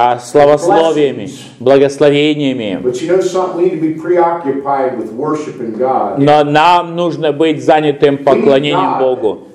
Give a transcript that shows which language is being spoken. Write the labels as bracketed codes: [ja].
[ru] славословиями, благословениями. [en] But you know something, we need to be preoccupied with worshiping God. [ru] Но нам нужно быть занятым поклонением Богу.